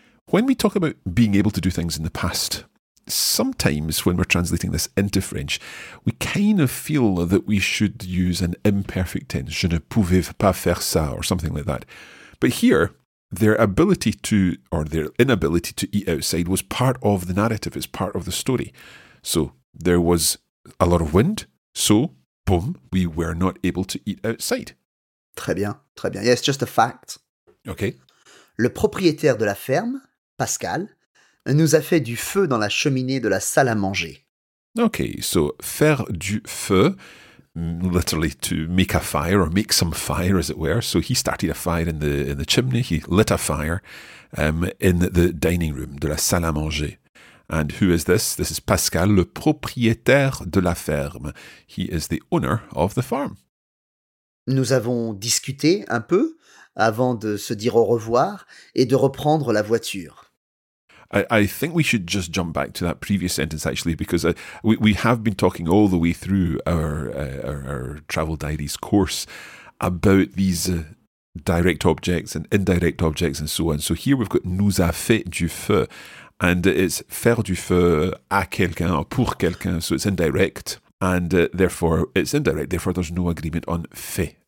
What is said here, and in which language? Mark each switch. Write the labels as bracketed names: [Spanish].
[English] When we talk about being able to do things in the past, sometimes when we're translating this into French, we kind of feel that we should use an imperfect tense, [French] je ne pouvais pas faire ça, [English] or something like that. But here, their ability to, or their inability to eat outside was part of the narrative, it's part of the story. So there was a lot of wind, so, boom, we were not able to eat outside. [French] Très bien, très bien. [English] Yeah, it's just a fact. Okay. [French] Le propriétaire de la ferme, Pascal, nous a fait du feu dans la cheminée de la salle à manger. [English] Okay, so [French] faire du feu, [English] literally to make a fire or make some fire, as it were. So he started a fire in the chimney. He lit a fire in the dining room [French] de la salle à manger. [English] And who is this? This is Pascal, [French] le propriétaire de la ferme. [English] He is the owner of the farm. [French] Nous avons discuté un peu avant de se dire au revoir et de reprendre la voiture. [English] I think we should just jump back to that previous sentence, actually, because we have been talking all the way through our Travel Diaries course about these direct objects and indirect objects and so on. So here we've got [French] nous a fait du feu, [English] and it's [French] faire du feu à quelqu'un, [English] or [French] pour quelqu'un, [English] so it's indirect, and therefore it's indirect, therefore there's no agreement on fait.